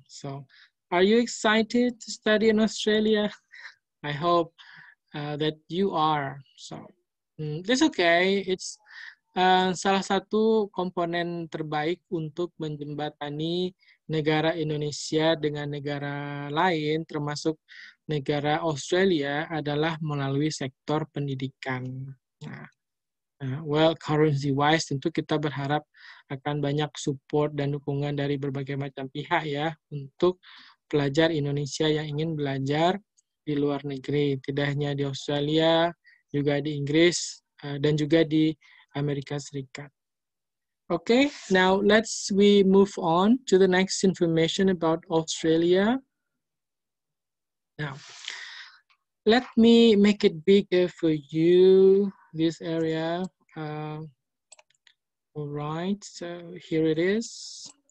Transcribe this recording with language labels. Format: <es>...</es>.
<en>So, are you excited to study in Australia? I hope that you are. So, it's okay.</en> <id>It's salah satu komponen terbaik untuk menjembatani negara Indonesia dengan negara lain, termasuk negara Australia, adalah melalui sektor pendidikan. Nah,</id> <en>well, currency wise,</en> <id>tentu kita berharap akan banyak support dan dukungan dari berbagai macam pihak ya untuk pelajar Indonesia yang ingin belajar di luar negeri, tidak hanya di Australia, juga di Inggris, dan juga di Amerika Serikat.</id> <en>Okay, now we move on to the next information about Australia. Now, let me make it bigger for you, this area. All right, so here it is.</en>